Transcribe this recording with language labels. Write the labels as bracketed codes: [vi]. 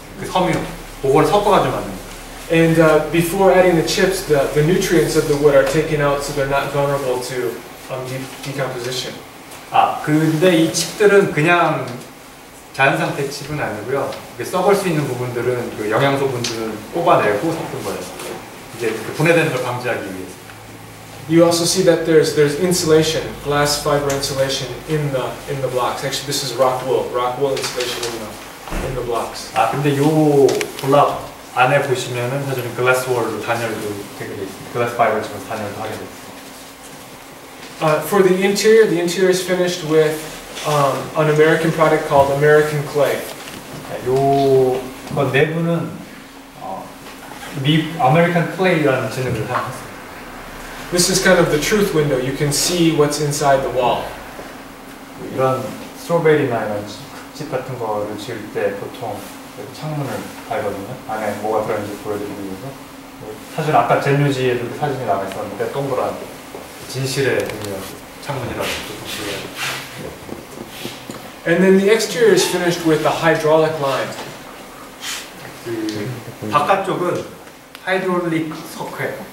[ko] 그 섬유 그걸 섞어가지고 만든 거. [en] And before adding the chips, the nutrients of the wood are taken out so they're not vulnerable to decomposition. [ko] 아, 근데 이 칩들은 그냥 자연상태 칩은 아니고요. 썩을 수 있는 부분들은 그 영양소 분들은 뽑아내고 섞은 거예요. 이제 그 분해되는 걸 방지하기 위해서. [en] You also see that there's insulation, glass fiber insulation in the blocks. Actually, this is rock wool insulation in the blocks. [ko] 아 근데 요 블록 안에 보시면은 사실은 glass wool로 단열도 되게 glass fiber처럼 단열도 하게 돼. [en] For the interior is finished with an American product called American clay. [ko] 요 건 내부는 미 아메리칸 클레이라는 진흙을 사용했어요. [en] This is kind of the truth window. You can see what's inside the wall. [ko] 이런 스트로베일이나 이런 집 같은 거를 지을 때 보통 창문을 밝거든요. 안에 뭐가 들어있는지 보여드리기 위해서. 사실 아까 젠유지에도 그 사진이 나와 있었는데 동그란 진실의 창문이라고. [en] And then the exterior is finished with the hydraulic line. [ko] 바깥쪽은 hydraulic 석회.